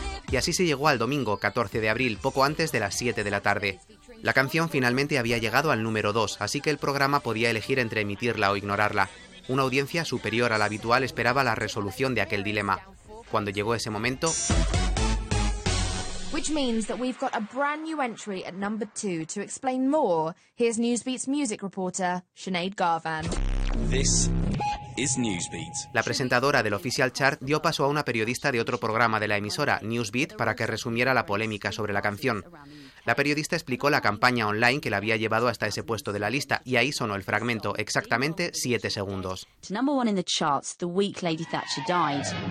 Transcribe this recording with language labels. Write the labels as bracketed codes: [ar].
[es] Y así se llegó al domingo, 14 de abril, poco antes de las 7 de la tarde. La canción finalmente había llegado al número 2, así que el programa podía elegir entre emitirla o ignorarla. Una audiencia superior a la habitual esperaba la resolución de aquel dilema. Cuando llegó ese momento... [en] Which means that we've got a brand new entry at number 2. To explain more, here's Newsbeat's music reporter, Sinead Garvan. This is Newsbeat. [es] La presentadora del Official Chart dio paso a una periodista de otro programa de la emisora, Newsbeat, para que resumiera la polémica sobre la canción. La periodista explicó la campaña online que la había llevado hasta ese puesto de la lista y ahí sonó el fragmento, exactamente 7 segundos. [en] Number 1 in the charts, the week Lady Thatcher died.